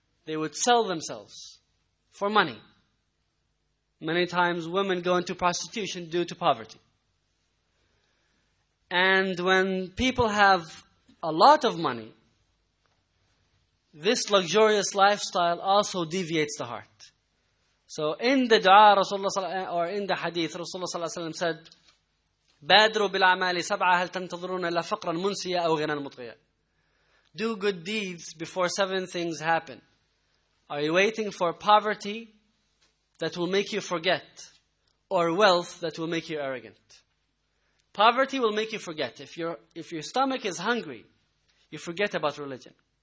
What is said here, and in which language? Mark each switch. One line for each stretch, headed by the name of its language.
English: They would sell themselves for money. Many times women go into prostitution due to poverty. And when people have a lot of money, this luxurious lifestyle also deviates the heart. So in the dua, Rasulullah ﷺ said,
Arabic: بَادْرُوا بِالْعَمَالِ سَبْعَةَ هَلْ تَنْتَظُرُونَ إِلَّا فَقْرًا مُنْسِيَ أَوْ غِنًا مُطْغِيَ.
English: do good deeds before seven things happen. Are you waiting for poverty that will make you forget, or wealth that will make you arrogant? Poverty will make you forget. If your stomach is hungry, you forget about religion.